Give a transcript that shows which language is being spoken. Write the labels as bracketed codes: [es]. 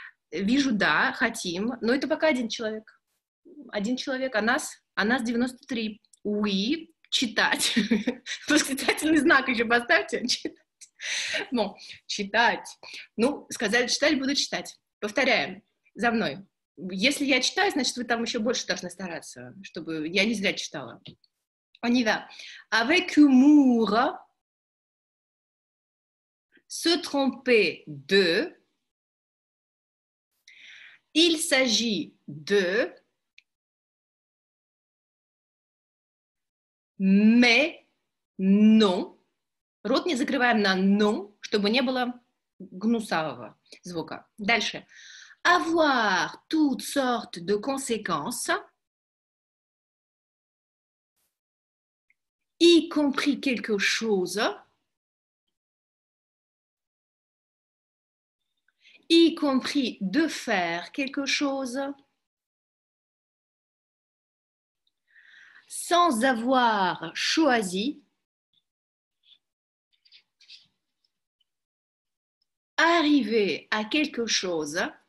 [ru] Вижу, да, хотим, но это пока один человек. Один человек, а нас 93. Уи. Читать. Восклицательный знак еще поставьте. Читать. Но читать. Ну, сказали читать, буду читать. Повторяем за мной. Если я читаю, значит, вы там еще больше должны стараться, чтобы я не зря читала. [fr] On y va. Avec humour, se tromper de, il s'agit de, mais non. [ru] Рот не закрываем на «но», чтобы не было гнусавого звука. Дальше. [fr] Avoir toutes sortes de conséquences, y compris quelque chose, y compris de faire quelque chose, sans avoir choisi, arriver à quelque chose,